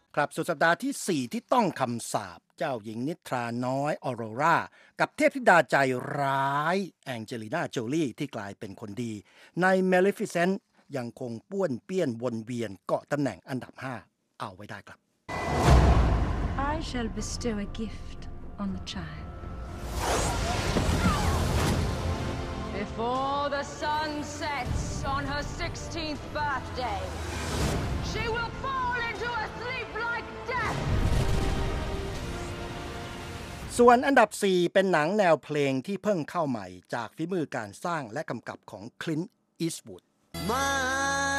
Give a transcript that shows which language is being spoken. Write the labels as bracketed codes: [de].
[th] ครับสุดสัปดาห์ที่4ที่ต้องคำสาปเจ้าหญิงนิทราน้อยออโรรากับเทพธิดาใจร้ายแองเจลิน่าโจลี่ที่กลายเป็นคนดีใน Maleficent ยังคงป้วนเปี้ยนวนเวียนเกาะตำแหน่งอันดับ5เอาไว้ได้ครับ [en] I shall bestow a gift on the childBefore the sun sets on her 16th birthday, she will fall into a sleep like death. [th] ส่วนอันดับ4เป็นหนังแนวเพลงที่เพิ่งเข้าใหม่จากฝีมือการสร้างและกำกับของ Clint Eastwood.